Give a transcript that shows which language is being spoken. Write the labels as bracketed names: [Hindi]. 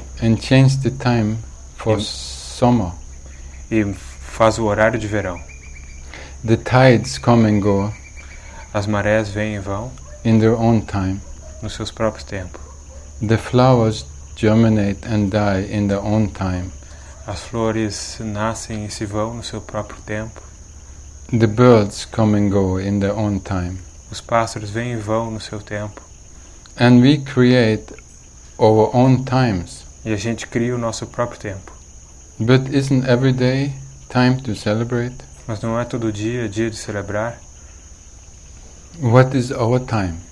[English] And change the time for summer. [Portuguese] E faz o horário de verão. [English] The tides come and go. [Portuguese] As marés vêm e vão. [English] In their own time. [Portuguese] Nos seus próprios tempos. [English] The flowers germinate and die in their own time. [Portuguese] As flores nascem e se vão no seu próprio tempo. [English] The birds come and go in their own time. [Portuguese] Os pássaros vêm e vão no seu tempo. [English] And we create our own times. [Portuguese] E a gente cria o nosso próprio tempo. [English] But isn't every day time to celebrate? [Portuguese] Mas não é todo dia dia de celebrar? [English] What is our time?